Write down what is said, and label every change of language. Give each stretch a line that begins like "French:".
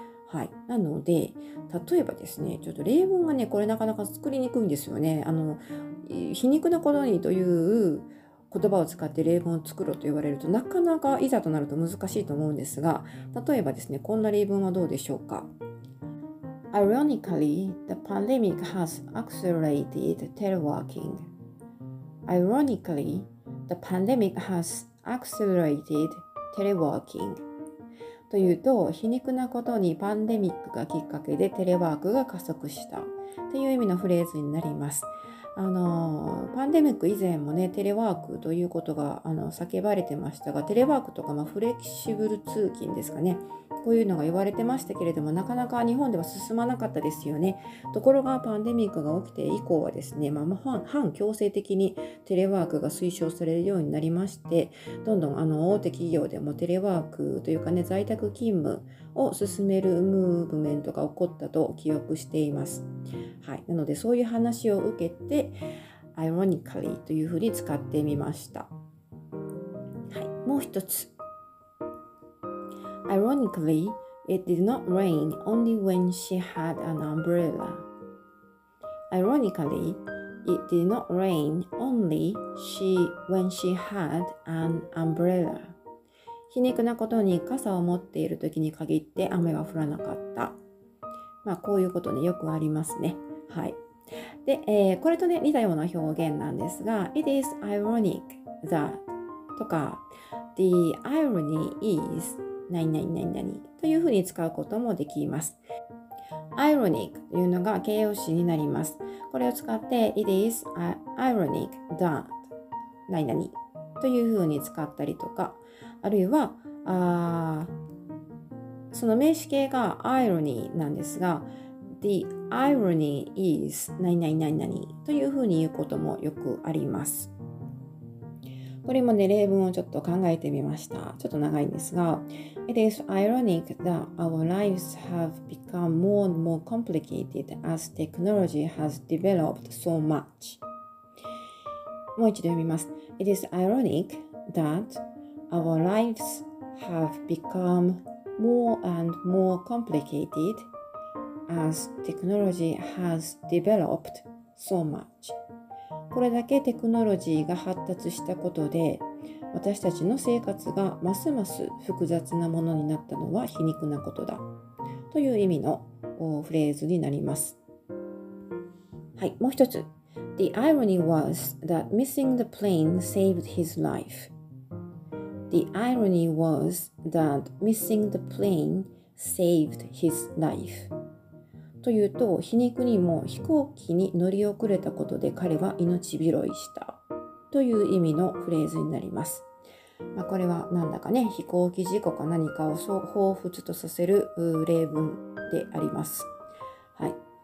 Japanese: はい、なので、例えばですね、ちょっと例文がね、これなかなか作りにくいんですよね。皮肉なことにという言葉を使って例文を作ろうと言われると、なかなかいざとなると難しいと思うんですが、例えばですね、こんな例文はどうでしょうか。
English: Ironically, the pandemic has accelerated teleworking. Ironically, the pandemic has accelerated teleworking.
Japanese: というと、皮肉なことにパンデミックがきっかけでテレワークが加速したという意味のフレーズになります。パンデミック以前もね、テレワークということが叫ばれてましたが、テレワークとか、まあ、フレキシブル通勤ですかね、こういうのが言われてましたけれども、なかなか日本では進まなかったですよね。ところがパンデミックが起きて以降はですね、まあ、反強制的にテレワークが推奨されるようになりまして、どんどん大手企業でもテレワークというかね、在宅勤務を進めるムーブメントが起こったと記憶しています。はい、なので、そういう話を受けて ironically というふうに使ってみました。はい、もう一つ、
English: Ironically, it did not rain only when she had an umbrella. Ironically, it did not rain only when she had an umbrella.
Japanese: 皮肉なことに傘を持っている時に限って雨が降らなかった。まあ、こういうことね、よくありますね。はい。で、これとね、似たような表現なんですが、
English: It is ironic that
Japanese: とか、
English: The irony is
Japanese: 何々というふうに使うこともできます。 Ironic というのが形容詞になります。これを使って
English: It is ironic that
Japanese: 何々というふうに使ったりとか、あるいはその名詞形が irony なんですが、
English: The irony is
Japanese: 何々というふうに言うこともよくあります。これもね、例文をちょっと考えてみました。ちょっと長いんですが、
English: It is ironic that our lives have become more and more complicated as technology has developed so much.
Japanese: もう一度読みます。
English: It is ironic that our lives have become more and more complicated as technology has developed so much.
Japanese: これだけテクノロジーが発達したことで、私たちの生活がますます複雑なものになったのは皮肉なことだ、という意味のフレーズになります。はい、もう一つ。
English: The irony was that missing the plane saved his life. The irony was that missing the plane saved his life.
Japanese: というと、皮肉にも飛行機に乗り遅れたことで彼は命拾いしたという意味のフレーズになります。まあ、これはなんだかね、飛行機事故か何かを彷彿とさせる例文であります。はい。